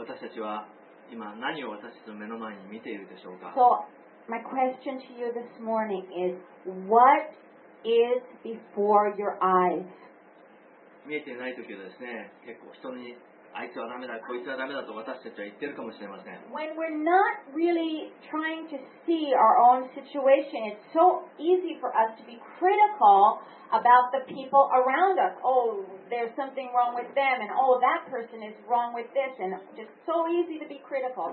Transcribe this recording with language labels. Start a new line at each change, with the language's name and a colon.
Japanese: 私たちは今何を私たちの目の前に見ているでしょうか？
English: So, my question to you this morning is, what is before your eyes?
Japanese: 見えていないときはですね、結構人にあいつはダメだ、こいつはダメだと私たちは言ってるかもしれません。
English: When we're not really trying to see our own situation, it's so easy for us to be critical about the people around us. Oh, there's something wrong with them, and oh, that person is wrong with this, and just so easy to be critical.